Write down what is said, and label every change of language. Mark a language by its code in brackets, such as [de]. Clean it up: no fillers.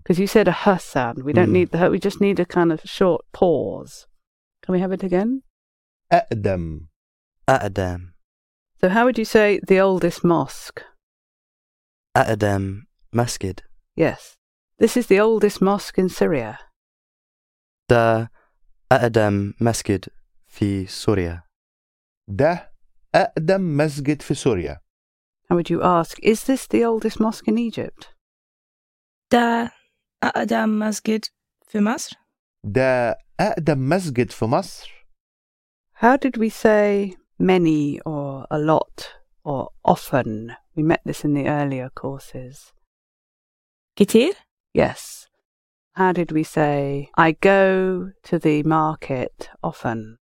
[en] Because you said a h sound. We don't need the h, we just need a kind of short pause. Can we have it again? [ar] Ahdam. Ahdam. [en] So how would you say the oldest mosque? [ar] Ahdam Masjid. [en] Yes. This is the oldest mosque in Syria. [ar] Da أقدم مسجد في سوريا. Da أقدم مسجد في سوريا. [en] How would you ask, is this the oldest mosque in Egypt? [ar] Da أقدم مسجد في مصر. Da أقدم مسجد في مصر. [en] How did we say many or a lot or often? We met this in the earlier courses. [ar] كتير? [en] Yes. How did we say, I go to the market often?